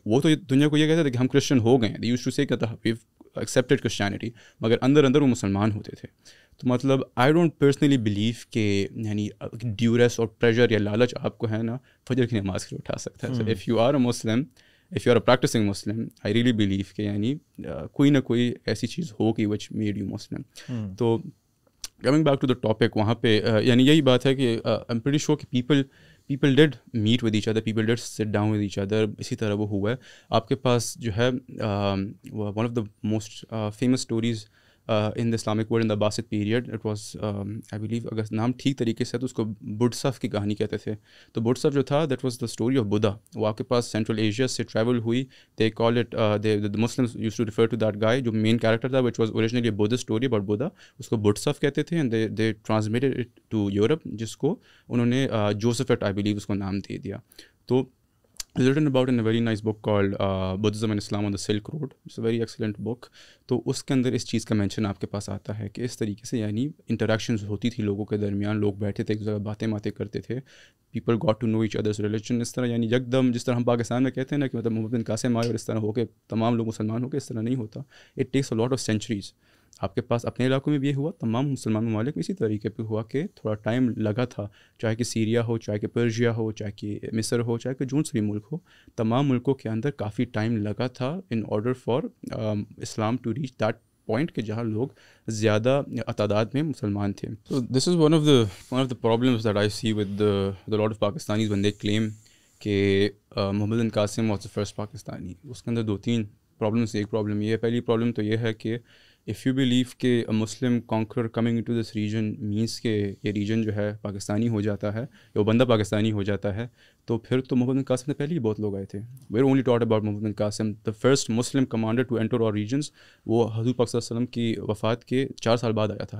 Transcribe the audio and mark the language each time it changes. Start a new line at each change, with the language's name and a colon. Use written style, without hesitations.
Urdu: وہ تو دنیا کو یہ کہتے تھے کہ ہم کرسچن ہو گئے ہیں,
English: they used to say کہ we've accepted Christianity,
Urdu: مگر اندر وہ مسلمان ہوتے تھے. تو مطلب
English: I don't personally believe
Urdu: کہ یعنی ڈیورس اور پریشر یا لالچ آپ کو ہے نا فجر کی نماز کے لیے اٹھا سکتا ہے.
English: if you are a Muslim, if you are a practising Muslim, I really believe
Urdu: کہ یعنی کوئی نہ کوئی ایسی چیز ہوگی
English: Which made you Muslim.
Urdu: تو
English: coming back to the topic,
Urdu: وہاں پہ یعنی یہی بات ہے کہ
English: I am pretty sure کہ people did meet with each other, people did sit down with each other.
Urdu: اسی طرح وہ ہوا ہے آپ کے پاس جو ہے
English: one of the most famous stories in the Islamic world in the Abbasid period, it was I believe
Urdu: اگر نام ٹھیک طریقے سے تو اس کو بڈسف کی کہانی کہتے تھے. تو بڈسف جو تھا
English: that was the story of Buddha,
Urdu: وہ آپ کے پاس سینٹرل ایشیا سے ٹریول ہوئی.
English: they call it Muslim used to refer to that guy,
Urdu: جو مین کیریکٹر تھا
English: which was originally Buddhist story about Buddha,
Urdu: اس کو بڈسف کہتے تھے.
English: and they transmitted it to Europe,
Urdu: جس کو انہوں نے جوسفٹ آئی بلیو اس کو نام دے دیا. تو
English: It's written about in a very nice book called Buddhism and Islam on the Silk Road. It's a very excellent book.
Urdu: تو اس کے اندر اس چیز کا مینشن آپ کے پاس آتا ہے کہ اس طریقے سے یعنی انٹریکشنز ہوتی تھی لوگوں کے درمیان, لوگ بیٹھے تھے ایک دوسرے باتیں باتیں کرتے تھے,
English: People got to know each other's religion.
Urdu: اس طرح یعنی یکدم جس طرح ہم پاکستان میں کہتے ہیں نا کہ مطلب محمد بن قاسم آئے اور اس طرح ہو کے تمام لوگ مسلمان ہو کے, اس طرح نہیں ہوتا.
English: It takes a lot of centuries.
Urdu: آپ کے پاس اپنے علاقوں میں بھی یہ ہوا, تمام مسلمان ممالک میں اسی طریقے پہ ہوا کہ تھوڑا ٹائم لگا تھا, چاہے کہ سیریا ہو, چاہے کہ پرشیا ہو, چاہے کہ مصر ہو, چاہے کہ جون سے بھی ملک ہو, تمام ملکوں کے اندر کافی ٹائم لگا تھا
English: in order for Islam to reach that point
Urdu: کہ جہاں لوگ زیادہ تعداد میں مسلمان تھے.
English: so this is one of the problems that I see with the lot of Pakistanis when they claim
Urdu: کہ محمد بن Qasim
English: Was the first Pakistani.
Urdu: اس کے اندر دو تین پرابلمس, ایک پرابلم یہ ہے, پہلی پرابلم تو یہ ہے کہ
English: If you believe
Urdu: کہ
English: a Muslim conqueror coming into this region means
Urdu: کہ یہ region جو ہے پاکستانی ہو جاتا ہے, یہ بندہ پاکستانی ہو جاتا ہے, تو پھر تو محمد بن قاسم سے پہلے ہی بہت لوگ آئے تھے.
English: We are only taught about
Urdu: Muhammad bin Qasim,
English: the first Muslim commander to enter our regions,
Urdu: وہ حضور پاک صلی اللہ علیہ وسلم کی وفات کے 4 سال بعد آیا تھا.